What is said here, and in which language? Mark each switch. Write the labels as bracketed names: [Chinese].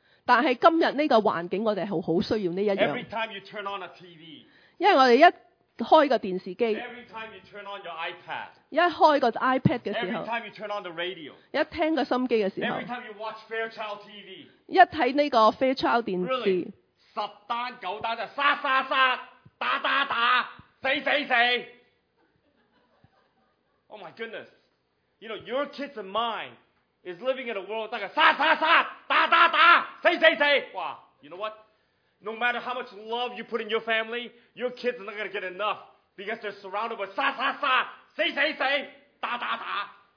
[Chinese] 但是今天这个环境我们是很需要这一样。 [English] Every time you turn on a TV, [Chinese] 因为我们一开个电视机。 [English] Every time you turn on your iPad, [Chinese] 一开个 iPad 的时候。 [English] Every time you turn on the radio, [Chinese] 一听个心机的时候。 [English] Every time you watch Fairchild TV, [Chinese] 一看这个 Fairchild 电视。 Really, 十单九单就杀杀杀。打打打，死死死！ [English] Oh my goodness! You know your kids and mine is living in a world that goes [Chinese] 杀杀杀，打打打，死死死！ [English] 哇 ！You know what? No matter how much love you put in your family, your kids are not going to get enough because they're surrounded by [Chinese] 杀杀杀，死死死，打打打。